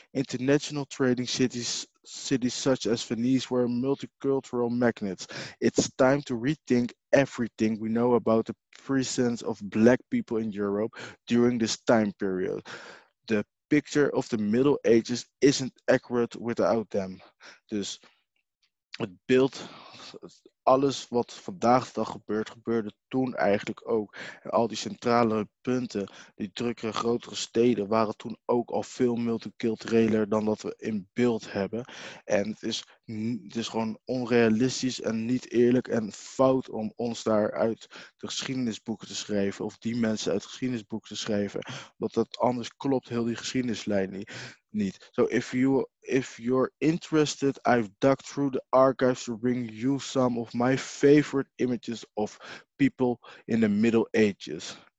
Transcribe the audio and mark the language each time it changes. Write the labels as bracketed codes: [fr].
[en] International trading cities such as Venice were multicultural magnets. It's time to rethink everything we know about the presence of black people in Europe during this time period. The picture of the Middle Ages isn't accurate without them. [nl] Dus het beeld, alles wat vandaag de dag gebeurt, gebeurde toen eigenlijk ook. En al die centrale punten, die drukkere grotere steden, waren toen ook al veel multicultureler dan dat we in beeld hebben. En het is gewoon onrealistisch en niet eerlijk en fout om ons daar uit de geschiedenisboeken te schrijven, of die mensen uit geschiedenisboeken te schrijven. Want dat anders klopt heel die geschiedenislijn niet. Niet. [en] So if you're interested, I've dug through the archives to bring you some of my favorite images of people in the Middle Ages.